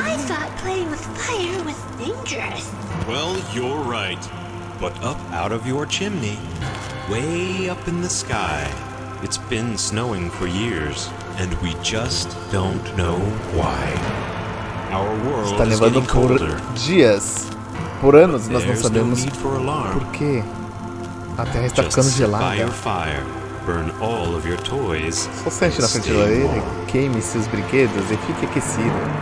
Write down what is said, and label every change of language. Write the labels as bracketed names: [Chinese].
[English] When I thought playing with fire was dangerous. Well, you're right. But up out of your chimney, way up in the sky, it's been snowing for years, and we just don't know why. Our world [Portuguese] está nevando [English] is getting colder. [Portuguese] Por dias, por anos, nós não sabemos por quê. A Terra está ficando gelada. [English] Fire, burn all of your toys. [Portuguese] Só sente na frente da geladeira, queime seus brinquedos e fique aquecido.